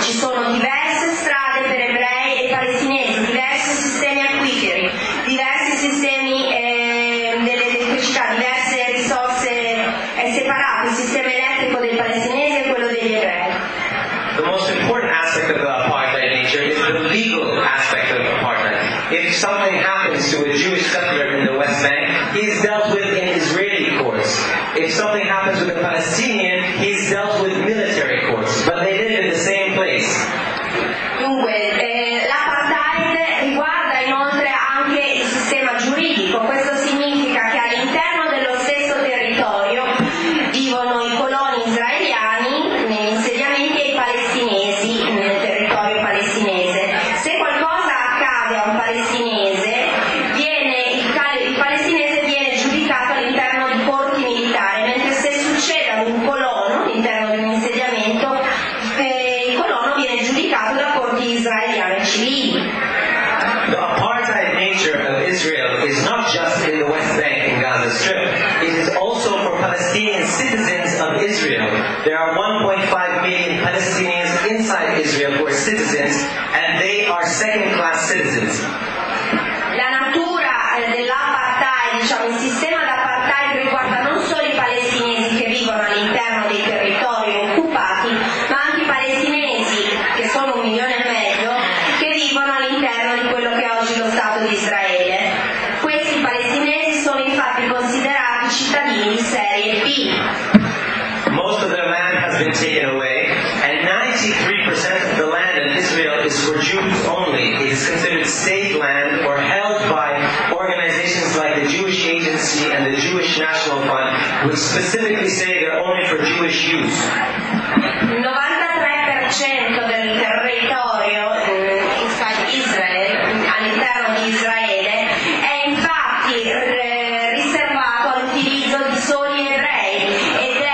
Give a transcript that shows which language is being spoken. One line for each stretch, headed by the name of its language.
Italian: Ci sono diverse strade per ebrei e palestinesi, diversi sistemi acquiferi, diversi sistemi dell'elettricità, diverse risorse separate, il sistema elettrico dei palestinesi e quello degli ebrei.
English: The most important aspect of apartheid nature is the legal aspect of apartheid. If something happens to a Jewish settler in the West Bank, he is dealt with in Israeli courts. If something happens with a Palestinian, he is dealt with military courts. But they live in the same place.
Italian: Dunque, l'apartheid riguarda inoltre anche il sistema giuridico. Questo significa che all'interno dello stesso territorio vivono i coloni israeliani negli insediamenti e i palestinesi nel territorio palestinese. Se qualcosa accade a un palestinese, il palestinese viene giudicato all'interno di corti militari, mentre se succede ad un colono all'interno di un insediamento, il colono viene giudicato da corti israeliane civili.
English: The apartheid nature of Israel is not just in the West Bank and Gaza Strip, it is also for Palestinian citizens of Israel. There are 1.5 million Palestinians inside Israel who are citizens, and they are second-class citizens.
Italian: La natura dell'apartheid, diciamo, il sistema d'apartheid riguarda non solo i palestinesi che vivono all'interno dei territori occupati, ma anche i palestinesi, che sono 1,5 milioni, che vivono all'interno di quello che è oggi lo Stato di Israele. Questi palestinesi sono infatti considerati cittadini di serie B.
English: Most of their land has been taken away, and 93% of the land in Israel is for Jews only. It is considered state land or held by organizations like the Jewish Agency and the Jewish National Fund, which specifically say they're only for Jewish use.
Italian: 93% del territorio in Israel, all'interno di Israele, è infatti riservato all'utilizzo di soli ebrei.